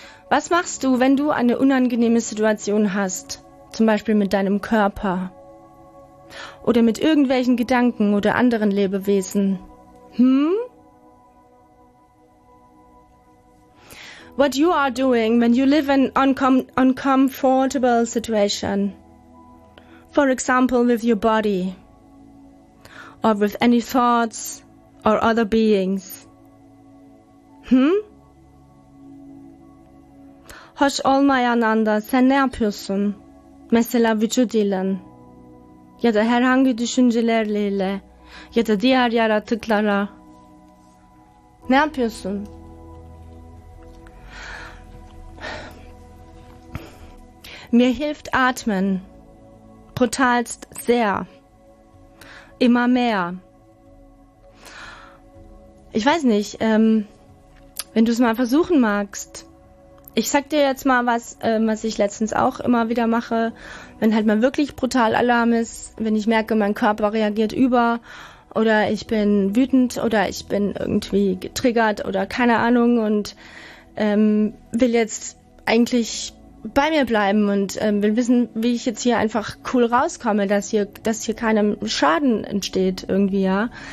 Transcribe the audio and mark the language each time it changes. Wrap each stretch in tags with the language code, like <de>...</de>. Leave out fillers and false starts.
<de>Was machst du, wenn du eine unangenehme Situation hast? Zum Beispiel mit deinem Körper. Oder mit irgendwelchen Gedanken oder anderen Lebewesen.</de> <en>What you are doing when you live in uncomfortable situation, for example with your body, or with any thoughts or other beings.</en> <tr>Hoş olmayanında sen ne yapıyorsun? Mesela vücut dilin ya da herhangi düşüncelerle ya da diğer yaratıklara ne yapıyorsun?</tr> <de>Mir hilft Atmen brutalst sehr, immer mehr. Ich weiß nicht, wenn du es mal versuchen magst. Ich sag dir jetzt mal was, was ich letztens auch immer wieder mache, wenn halt mal wirklich brutal Alarm ist, wenn ich merke, mein Körper reagiert über oder ich bin wütend oder ich bin irgendwie getriggert oder keine Ahnung und will jetzt eigentlich bei mir bleiben und will wissen, wie ich jetzt hier einfach cool rauskomme, dass hier keinem Schaden entsteht irgendwie, ja.</de>